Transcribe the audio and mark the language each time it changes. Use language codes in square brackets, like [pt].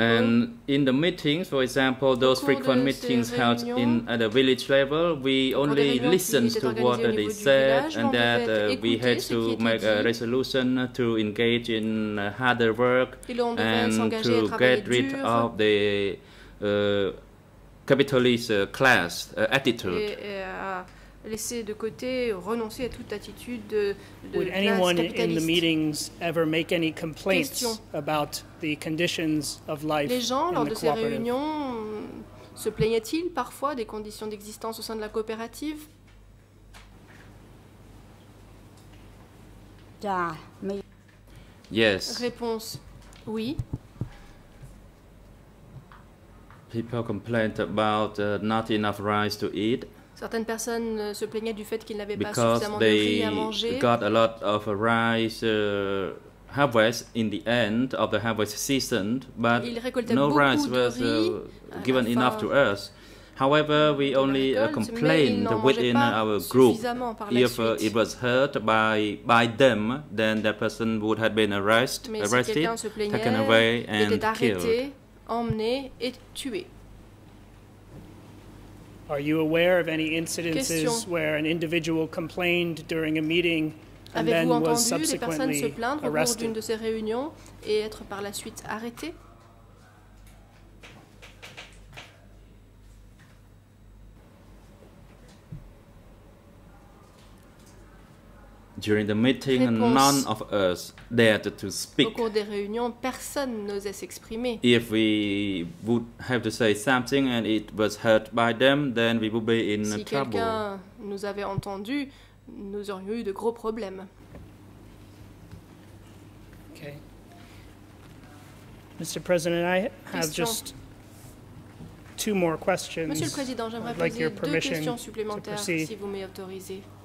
[en] And in the meetings, for example, those frequent meetings held in at the village level, we only listened to what they said, and that we had to make a resolution to engage in harder work and to get rid of the capitalist class attitude. [fr] Laisser de côté, renoncer à toute attitude de [en] Would anyone in the meetings ever make any complaints about the conditions of life? [fr] Les gens, lors de ces réunions, se plaignaient-ils parfois des conditions d'existence au sein de la coopérative? [en] Yes. [fr] Réponse, oui. [en] People complained about not enough rice to eat. [fr] Certaines personnes se plaignaient du fait qu'ils n'avaient pas suffisamment de riz à manger. [en] Got a lot of rice harvest in the end of the harvest season, but no rice was given enough to us. However, we only complained within our group. If it was heard by them, then that person would have been arrested, taken away and killed. [fr] Emmené et tué. [en] Are you aware of any incidences where an individual complained during a meeting and then was subsequently arrested? During the meeting, none of us dared to speak. [fr] Au cours des réunions, personne n'osait s'exprimer. [en] If we would have to say something and it was heard by them, then we would be in [fr] si [en] trouble. [fr] Si quelqu'un nous avait entendu, nous aurions eu de gros problèmes. [en] Okay. Mr. President, I have just two more questions. [fr] Monsieur le Président, j'aimerais poser deux questions supplémentaires, si vous m'y autorisez.